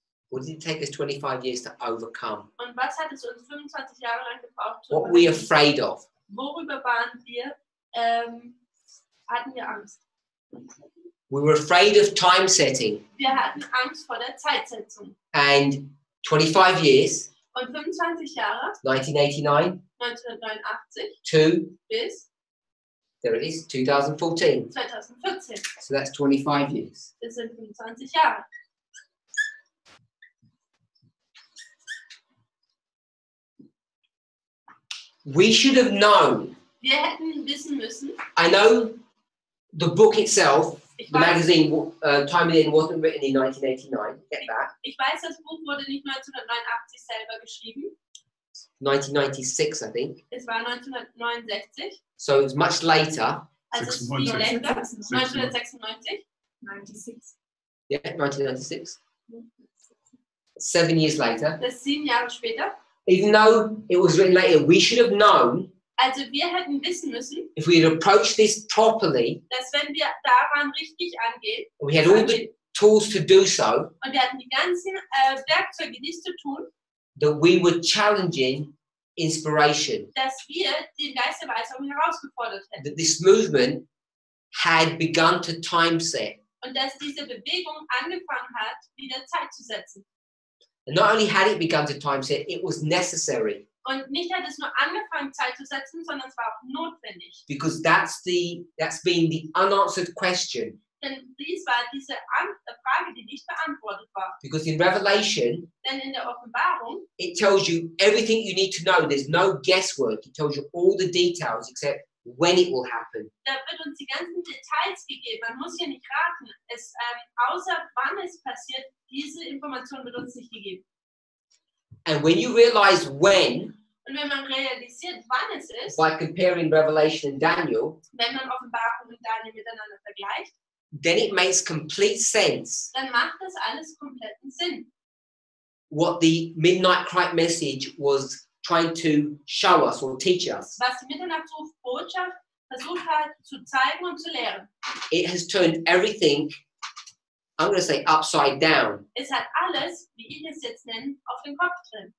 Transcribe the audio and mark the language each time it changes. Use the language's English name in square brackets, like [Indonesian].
[English] What did it take us 25 years to overcome? [German] Und was hat es uns 25 Jahre lang gebraucht? [English] What were we afraid of? [German] Worüber waren wir? Hatten wir Angst? [English] We were afraid of time setting. [German] Wir hatten Angst vor der Zeitsetzung. [English] And 25 years. [German] Und 25 Jahre. [English] 1989. [German] 1989. [English] To. [German] Bis. [English] There it is. 2014. [German] 2014. [English] So that's 25 years. [German] Das sind 25 Jahre. [English] We should have known. [German] Wir hätten wissen müssen. [English] I know the book itself, the magazine, Time Within, wasn't written in 1989. Get that. [German] Ich weiß, das Buch wurde nicht 1989 selber geschrieben. [English] 1996, I think. [German] Es war 1969. [English] So it's much later. [German] Also 96. Viel länger. 1996. [English] 96. Yeah, 1996. 7 years later. [German] Das ist 7 Jahre später. [English] Even though it was written later, we should have known. [German] Also wir hätten wissen müssen, [English] if we had approached this properly, [German] dass wenn wir daran richtig angehen, [English] we had all the tools to do so, [German] und wir hatten die ganzen Werkzeuge, dies zu tun, [English] that we were challenging inspiration. [German] Dass wir den Geist der Weisung herausgefordert hätten. [English] That this movement had begun to time set. [German] Und dass diese Bewegung angefangen hat, wieder Zeit zu setzen. [English] And not only had it begun to time set, it was necessary. [German] Und nicht hat es nur angefangen, Zeit zu setzen, sondern es war auch notwendig. [English] Because that's been the unanswered question. [German] Denn dies war diese Frage, die nicht beantwortet war. [English] Because in Revelation, [German] denn in der Offenbarung, [English] it tells you everything you need to know. There's no guesswork. It tells you all the details except when it will happen. [German] Da wird uns die ganzen Details gegeben. Man muss hier nicht raten. Es, außer wann es passiert, diese Information wird uns nicht gegeben. [English] And when you realize when, [German] und wenn man realisiert, wann es ist, [English] by comparing Revelation and Daniel, [German] wenn man Offenbarung und Daniel miteinander vergleicht, [English] then it makes complete sense, [German] dann macht das alles kompletten Sinn, [English] what the Midnight Cry message was trying to show us or teach us. [German] Was die Mitternachtsrufbotschaft versucht hat zu zeigen und zu lehren. [English] It has turned everything, I'm going to say, upside down. [German] Es hat alles, wie ich es jetzt nenne, auf den Kopf drin.